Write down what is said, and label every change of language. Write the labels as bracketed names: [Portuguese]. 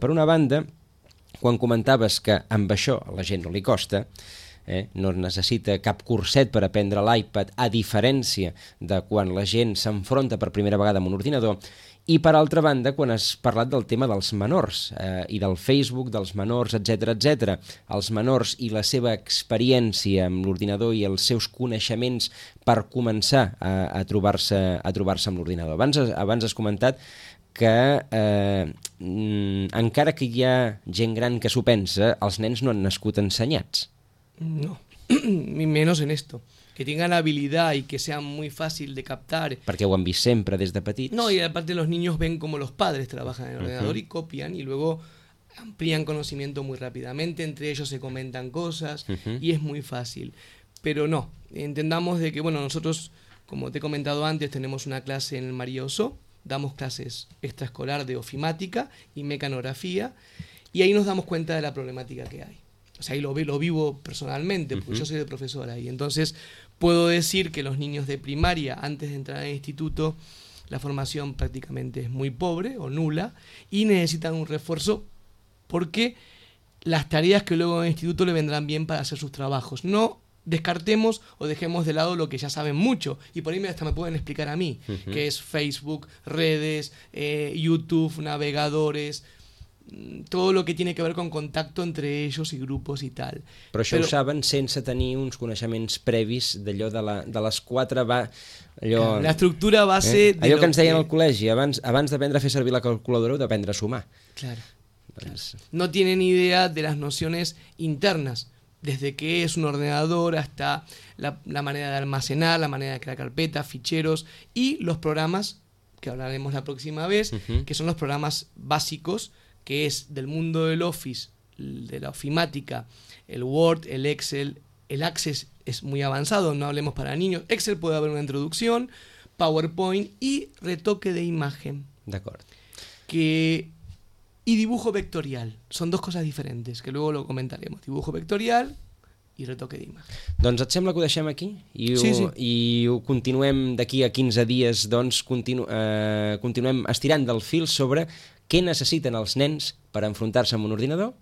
[Catalan] Per una banda, quan comentaves que amb això a la gent no li costa, no necessita cap curset per aprendre l'iPad, a diferència de quan la gent s'enfronta per primera vegada amb un ordinador, i per altra banda, quan has parlat del tema dels menors i del Facebook, dels menors, etc, etc, els menors i la seva experiència amb l'ordinador i els seus coneixements per començar a trobar-se amb l'ordinador. Abans has comentat que encara que hi ha gent gran que s'ho pensa, els nens no han nascut ensenyats. [Spanish] No, ni menos en esto. Que tengan habilidad y que sea muy fácil de captar. Porque lo han visto siempre desde petits. No, y aparte los niños ven cómo los padres trabajan en el ordenador y copian y luego amplían conocimiento muy rápidamente, entre ellos se comentan cosas y es muy fácil. Pero no, entendamos de que, bueno, nosotros, como te he comentado antes, tenemos una clase en el María Oso damos clases extraescolar de ofimática y mecanografía, y ahí nos damos cuenta de la problemática que hay. O sea, ahí lo vivo personalmente, porque yo soy de profesora, y entonces puedo decir que los niños de primaria, antes de entrar al instituto, la formación prácticamente es muy pobre o nula, y necesitan un refuerzo porque las tareas que luego en el instituto le vendrán bien para hacer sus trabajos. No descartemos o dejemos de lado lo que ya saben mucho, y por ahí hasta me pueden explicar a mí, que es Facebook, redes, YouTube, navegadores, todo lo que tiene que ver con contacto entre ellos y grupos y tal. [Catalan] Però això ho saben sense tenir uns coneixements previs d'allò de les quatre... L'estructura base... Allò que ens deien al col·legi, abans d'aprendre a fer servir la calculadora, d'aprendre a sumar. [Spanish] Claro. No tienen idea de las nociones internas, desde qué es un ordenador hasta la manera de almacenar, la manera de crear carpetas, ficheros y los programas, que hablaremos la próxima vez, que son los programas básicos, que es del mundo del Office, de la ofimática, el Word, el Excel, el Access es muy avanzado, no hablemos para niños, Excel puede haber una introducción, PowerPoint y retoque de imagen. De acuerdo. Y dibujo vectorial. Son dos cosas diferentes, que luego lo comentaremos. Dibujo vectorial i retoque d'imatge. [Catalan] Doncs et sembla que ho deixem aquí? I ho continuem d'aquí a 15 dies, doncs continuem estirant del fil sobre què necessiten els nens per enfrontar-se amb un ordinador.